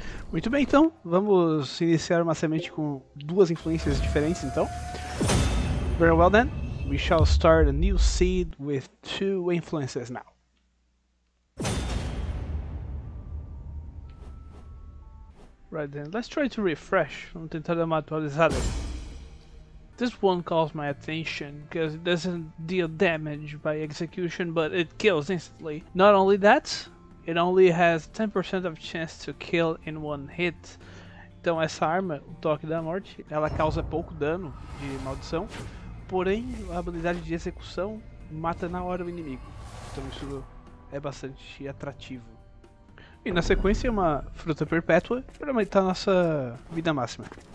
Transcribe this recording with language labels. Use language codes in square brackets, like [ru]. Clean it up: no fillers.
[pt] Muito bem, então, vamos iniciar uma semente com duas influências diferentes, então. [en] Very well then, we shall start a new seed with two influences now. Right then, let's try to refresh. [pt] Vamos tentar dar uma atualizada. [en] This one calls my attention because it doesn't deal damage by execution, but it kills instantly. Not only that, it only has 10% of chance to kill in one hit. [pt] Então essa arma, o Toque da Morte, ela causa pouco dano de maldição, porém a habilidade de execução mata na hora o inimigo. Então isso é bastante atrativo. E na sequência, uma fruta perpétua para aumentar nossa vida máxima.